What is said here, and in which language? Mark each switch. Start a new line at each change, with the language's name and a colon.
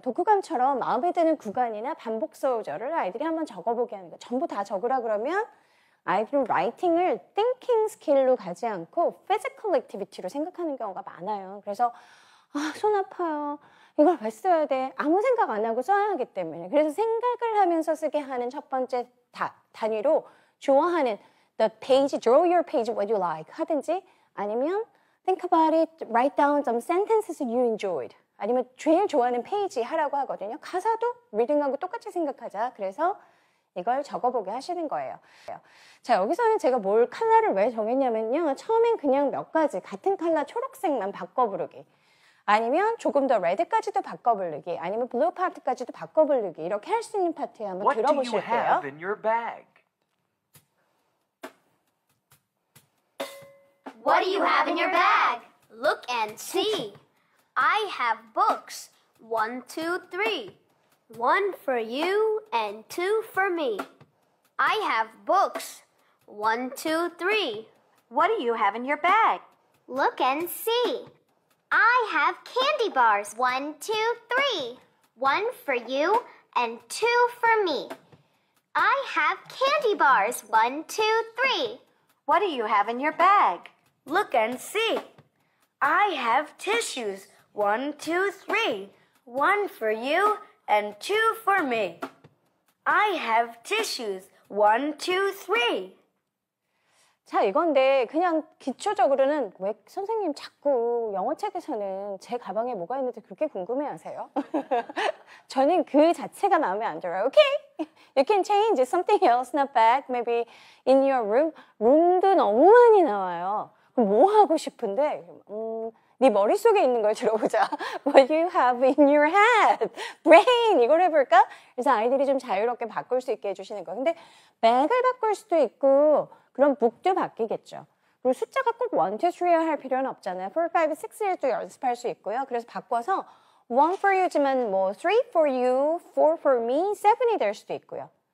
Korean: 독후감처럼 마음에 드는 구간이나 반복 소절을 아이들이 한번 적어보게 하는 거. 전부 다 적으라 그러면 아이들은 라이팅을 thinking 스킬로 가지 않고 physical activity로 생각하는 경우가 많아요. 그래서 아, 손 아파요. 이걸 왜 써야 돼? 아무 생각 안 하고 써야 하기 때문에. 그래서 생각을 하면서 쓰게 하는 첫 번째 단위로 좋아하는
English: the page, draw your page what you like
Korean: 하든지 아니면
English: think about it, write down some sentences you enjoyed.
Korean: 아니면 제일 좋아하는 페이지 하라고 하거든요. 가사도 리딩하고 똑같이 생각하자. 그래서 이걸 적어보게 하시는 거예요. 자, 여기서는 제가 뭘 컬러를 왜 정했냐면요. 처음엔 그냥 몇 가지 같은 컬러 초록색만 바꿔부르기. 아니면 조금 더 레드까지도 바꿔부르기. 아니면 블루 파트까지도 바꿔부르기. 이렇게 할 수 있는 파트에 한번 들어보실게요.
English: What do you have in your bag? What do you have in your bag? Look and see. I have books. 1, 2, 3. One for you and two for me. I have books. 1, 2, 3. What do you have in your bag? Look and see. I have candy bars. 1, 2, 3. One for you and two for me. I have candy bars. 1, 2, 3. What do you have in your bag? Look and see. I have tissues. 1, 2, 3. One for you and two for me. I have tissues. 1, 2, 3.
Korean: 자, 이건데 그냥 기초적으로는 왜 선생님 자꾸 영어책에서는 제 가방에 뭐가 있는지 그렇게 궁금해하세요? 저는 그 자체가 마음에 안 들어요.
English: Okay, you can change something else in a bag. Maybe in your room.
Korean: Room도 너무 많이 나와요. 뭐 하고 싶은데? 네 머릿속에 있는 걸 들어보자.
English: What do you have in your head?
Korean: Brain! 이걸 해볼까? 그래서 아이들이 좀 자유롭게 바꿀 수 있게 해주시는 거. 근데 bag을 바꿀 수도 있고 그럼 book도 바뀌겠죠. 그리고 숫자가 꼭 1, 2, 3 할 필요는 없잖아요. 4, 5, 6일도 연습할 수 있고요. 그래서 바꿔서 1 for you지만 뭐 3 for you, 4 for me, 7이 될 수도 있고요.